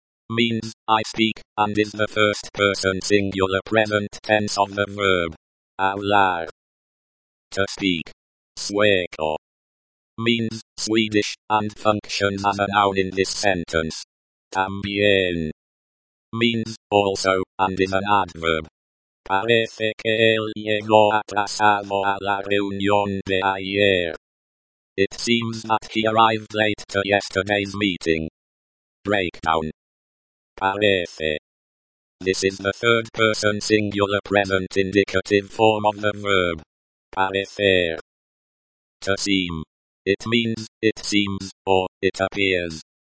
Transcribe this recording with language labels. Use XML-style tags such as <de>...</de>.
<en>Means, I speak, and is the first person singular present tense of the verb.</en> <es>Hablar.</es> <en>To speak. sueco, means Swedish, and functions as a noun in this sentence. También means also, and is an adverb.</en> <es>Parece que él llegó atrasado a la reunión de ayer.</es> <en>It seems that he arrived late to yesterday's meeting. Breakdown.</en> <es>Parece.</es> <en>This is the third person singular present indicative form of the verb.</en> <es>Parecer.</es> <en>To seem. It means, it seems, or, it appears.</en>